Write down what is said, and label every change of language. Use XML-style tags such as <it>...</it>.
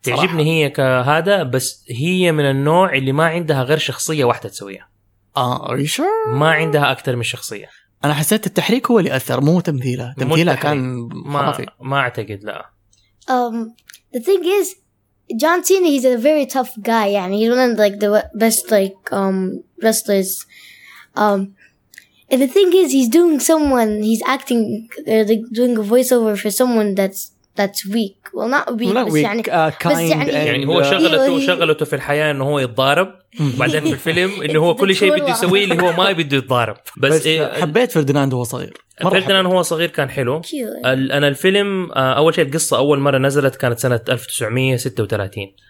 <ar>تعجبني صراحة. هي كهذا، بس هي من النوع اللي ما عندها غير شخصية واحدة تسويها.</ar> <en>Are you sure؟</en> <ar>ما عندها أكثر من شخصية. أنا حسيت التحريك هو اللي أثر، مو تمثيلها. تمثيلها كان خرافي. ما أعتقد لا.</ar> <en>The thing is, John Cena he's a very tough guy.</en> <ar>يعني</ar> <en>he's one of like the best like wrestlers. And the thing is, he's doing someone, he's acting like doing a voiceover for someone that's weak. Well, not weak. Not weak.</en> <ar>يعني</ar> <en>kind.</en> <ar>يعني هو شغلته في الحياة إنه هو يتضارب. بعدين في الفيلم إنه هو كل شيء بده يسويه اللي هو ما بده يتضارب. بس حبيت فيرديناند وهو صغير. فيرديناند هو صغير كان حلو. أنا الفيلم أول شيء القصة أول مرة نزلت كانت سنة 1936.</ar>